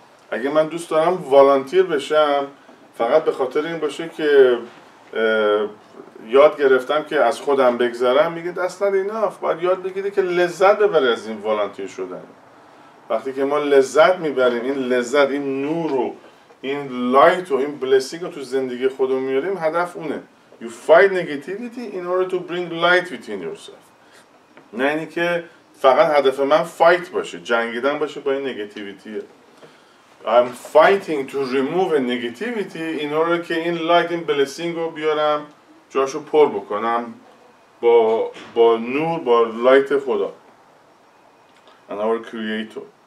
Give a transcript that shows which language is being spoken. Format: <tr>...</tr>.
<fa>اگه من دوست دارم والانتیر بشم فقط به خاطر این باشه که یاد گرفتم که از خودم بگذرم، میگه دست ندیناف، باید یاد بگیری که لذت ببری از این والانتیر شدن. وقتی که ما لذت میبریم، این لذت، این نور و این لایت و این بلسینگ رو تو زندگی خودمون میاریم، هدف اونه.</fa> <en>You fight negativity in order to bring light within yourself.</en> <fa>نه اینی که فقط هدف من fight باشه، جنگیدن باشه با این نگتیویتیه.</fa> <en>I'm fighting to remove a negativity in order که این light and blessing</en> <fa>رو بیارم جاشو پر بکنم با نور، با</fa> <en>light خدا and our creator.</en>